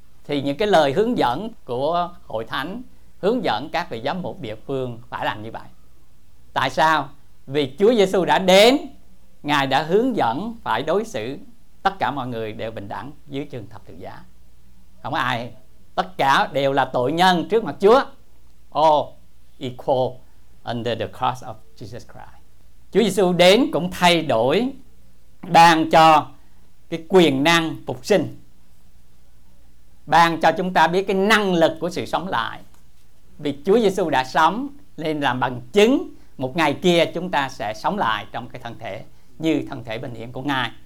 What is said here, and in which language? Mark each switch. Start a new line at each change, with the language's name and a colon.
Vietnamese: Thì những cái lời hướng dẫn của hội thánh hướng dẫn các vị giám mục địa phương phải làm như vậy. Tại sao? Vì Chúa Giêsu đã đến, Ngài đã hướng dẫn phải đối xử tất cả mọi người đều bình đẳng dưới chân thập tự giá. Không ai, tất cả đều là tội nhân trước mặt Chúa.
English: All equal under the cross of Jesus Christ.
Vietnamese: Chúa Giêsu đến cũng thay đổi, ban cho cái quyền năng phục sinh, ban cho chúng ta biết cái năng lực của sự sống lại. Vì Chúa Giêsu đã sống nên làm bằng chứng một ngày kia chúng ta sẽ sống lại trong cái thân thể như thân thể bình hiển của Ngài.